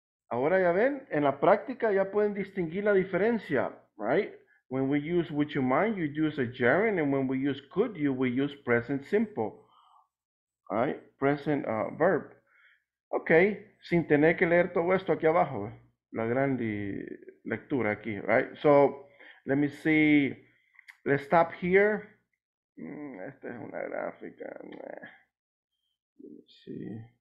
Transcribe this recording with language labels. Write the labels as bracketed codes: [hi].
[es] Ahora ya ven, en la práctica ya pueden distinguir la diferencia, right? [en] When we use would you mind, you use a gerund, and when we use could you, we use present simple. Right? Present verb. Okay. [es] Sin tener que leer todo esto aquí abajo, la grande lectura aquí, right? [en] So, let me see, let's stop here. [es] Esta es una gráfica, [en] let me see.